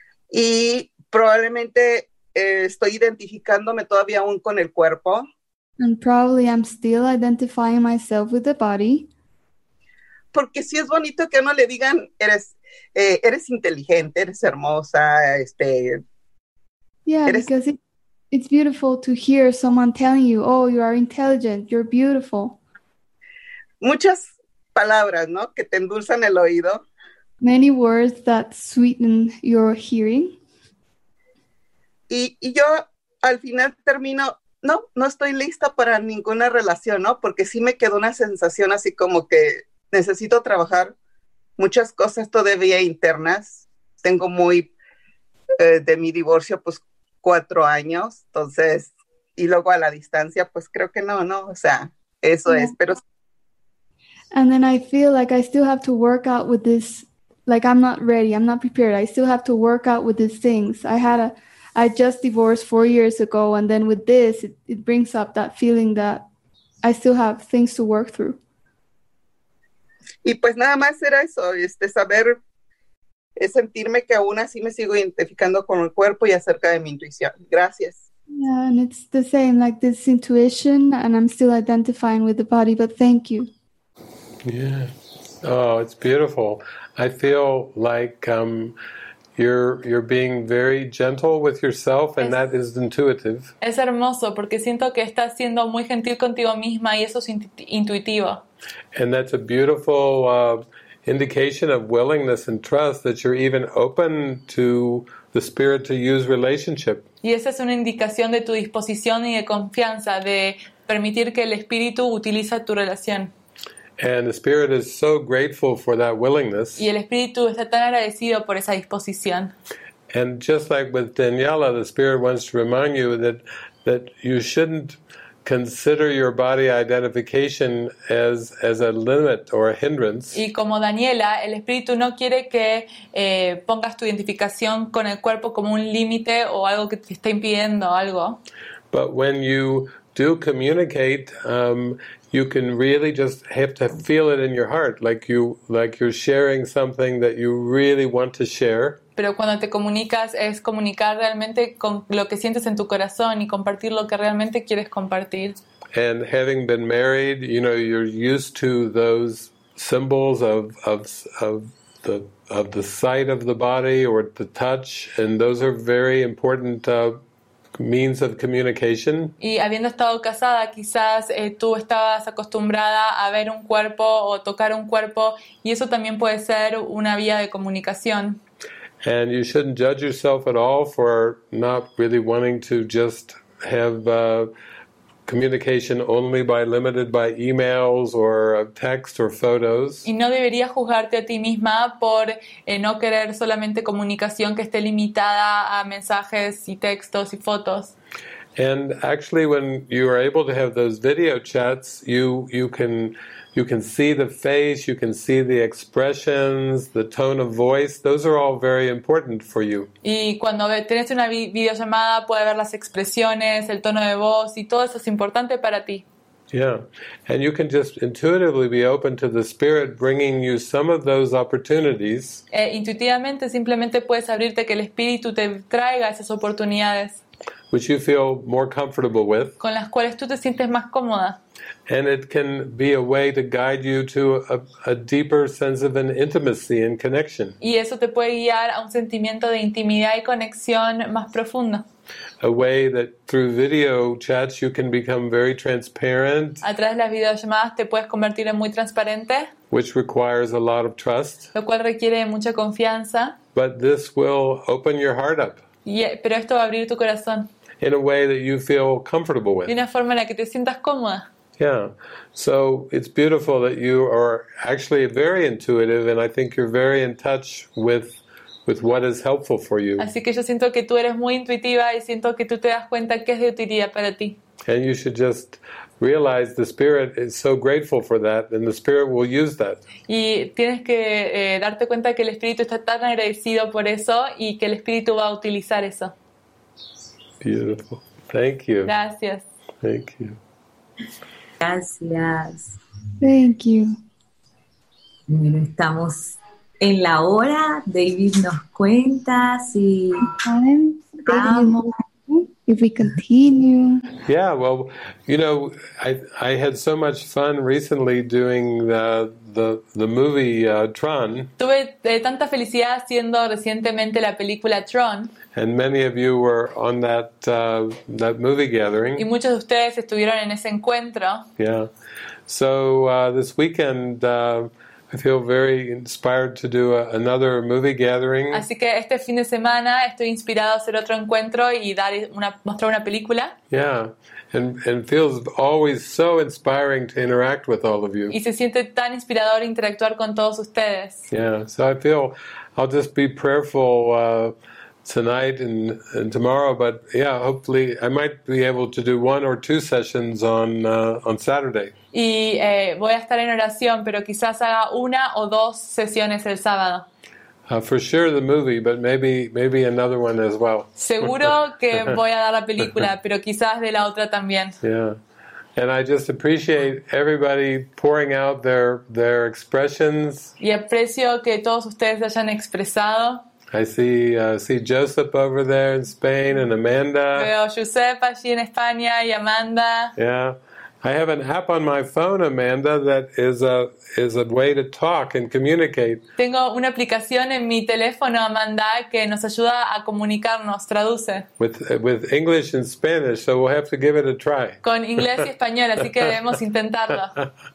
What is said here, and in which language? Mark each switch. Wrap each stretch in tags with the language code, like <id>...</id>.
<es>Y probablemente estoy identificándome todavía aún con el cuerpo.</es> <en>And probably I'm still identifying myself with the body.</en> <es>Porque sí es bonito que no le digan, eres inteligente, eres hermosa,</es> <en>Yeah, because it's beautiful to hear someone telling you, oh, you are intelligent, you're beautiful.</en> <es>Muchas palabras, ¿no? Que te endulzan el oído.</es> <en>Many words that sweeten your hearing.</en> <es>Y yo al final termino, no estoy lista para ninguna relación, ¿no? Porque sí me quedó una sensación así como que necesito trabajar muchas cosas todavía internas. Tengo muy de mi divorcio, pues 4 años, entonces, y luego a la distancia, pues creo que no, o sea, eso yeah. es, pero.</es> <en>And then I feel like I still have to work out with this, like I'm not ready, I'm not prepared, I still have to work out with these things. I just divorced 4 years ago, and then with this, it brings up that feeling that I still have things to work through.</en> <es>Y pues nada más era eso, saber, es sentirme que aún así me sigo identificando con el cuerpo y acerca de mi intuición. Gracias.</es> <en>Yeah, and it's the same, like this intuition, and I'm still identifying with the body, but thank you. Yeah. Oh, it's beautiful. I feel like you're being very gentle with yourself, and that is intuitive.</en> <es>Es hermoso, porque siento que estás siendo muy gentil contigo misma, y eso es intuitivo.</es> <en>And that's a beautiful indication of willingness and trust that you're even open to the spirit to use relationship.</en> <es>Y esa es una indicación de tu disposición y de confianza de permitir que el espíritu utilice tu relación.</es> <en>And the spirit is so grateful for that willingness.</en> <es>Y el espíritu está tan agradecido por esa disposición.</es> <en>And just like with Daniela, the spirit wants to remind you that you shouldn't consider your body identification as a limit or a hindrance.</en> <es>Y como Daniela, el espíritu no quiere que pongas tu identificación con el cuerpo como un límite o algo que te está impidiendo algo.</es> <en>But when you do communicate, you can really just have to feel it in your heart, like you're sharing something that you really want to share.</en> <es>Pero cuando te comunicas es comunicar realmente con lo que sientes en tu corazón y compartir lo que realmente quieres compartir.</es> <en>And having been married, you know, you're used to those symbols of the sight of the body or the touch, and those are very important means of communication.</en> <es>Y habiendo estado casada, quizás tú estabas acostumbrada a ver un cuerpo o tocar un cuerpo, y eso también puede ser una vía de comunicación.</es> <en>And you shouldn't judge yourself at all for not really wanting to just have communication only by emails or text or photos.</en> <es>Y no deberías juzgarte a ti misma por no querer solamente comunicación que esté limitada a mensajes y textos y fotos.</es> <en>And actually, when you are able to have those video chats, you can see the face, you can see the expressions, the tone of voice. Those are all very important for you.</en> <es>Y cuando tienes una videollamada, puedes ver las expresiones, el tono de voz, y todo eso es importante para ti.</es> <en>Yeah, and you can just intuitively be open to the spirit bringing you some of those opportunities.</en> <es>Intuitivamente, simplemente puedes abrirte que el espíritu te traiga esas oportunidades.</es> <en>Which you feel more comfortable with.</en> <es>Con las cuales tú te sientes más cómoda.</es> <en>And it can be a way to guide you to a deeper sense of an intimacy and connection.</en> <es>Y eso te puede guiar a un sentimiento de intimidad y conexión más profundo.</es> <en>A way that through video chats you can become very transparent.</en> <es>A través de las videollamadas te puedes convertir en muy transparente.</es> <en>Which requires a lot of trust.</en> <es>Lo cual requiere mucha confianza.</es> <en>But this will open your heart up.</en> <es>Yeah, pero esto va a abrir tu corazón.</es> <en>In a way that you feel comfortable with.</en> <es>De una forma en la que te sientas cómoda.</es> <en>Yeah, so it's beautiful that you are actually very intuitive, and I think you're very in touch with what is helpful for you.</en> <es>Así que yo siento que tú eres muy intuitiva y siento que tú te das cuenta qué es de utilidad para ti.</es> <en>And you should just realize the spirit is so grateful for that, and the spirit will use that.</en> <es>Y tienes que darte cuenta que el espíritu está tan agradecido por eso y que el espíritu va a utilizar eso.</es> <en>Beautiful. Thank you.</en> <es>Gracias.</es> <en>Thank you.</en> <es>Gracias.</es> <en>Thank you.</en> <es>Bueno, estamos en la hora. David nos cuenta si.</es> <en>Amo. if we continue. Yeah, well, you know, I had so much fun recently doing the movie Tron.</en> <es>Tuve tanta felicidad haciendo recientemente la película Tron.</es> <en>And many of you were on that movie gathering.</en> <es>Y muchos de ustedes estuvieron en ese encuentro.</es> <en>Yeah. So this weekend I feel very inspired to do another movie gathering.</en> <es>Así que este fin de semana estoy inspirado a hacer otro encuentro y dar una mostrar una película.</es> <en>Yeah, and feels always so inspiring to interact with all of you.</en> <es>Y se siente tan inspirador interactuar con todos ustedes.</es> <en>Yeah, so I feel I'll just be prayerful tonight and tomorrow, but yeah, hopefully I might be able to do one or two sessions on Saturday.</en> <es>Y voy a estar en oración, pero quizás haga una o dos sesiones el sábado.</es> <en>For sure the movie, but maybe another one as well.</en> <es>Seguro que voy a dar la película, pero quizás de la otra también.</es> <en>Yeah, and I just appreciate everybody pouring out their expressions.</en> <es>Y aprecio que todos ustedes hayan expresado.</es> <en>I see Joseph over there in Spain and Amanda.</en> <es>Veo Josep allí en España y Amanda.</es> <en>Yeah. I have an app on my phone, Amanda, that is a way to talk and communicate.</en> <es>Tengo una aplicación en mi teléfono, Amanda, que nos ayuda a comunicarnos, traduce.</es> <en>With English and Spanish, so we'll have to give it a try.</en> <es>Con inglés y español, así que debemos intentarlo.</es>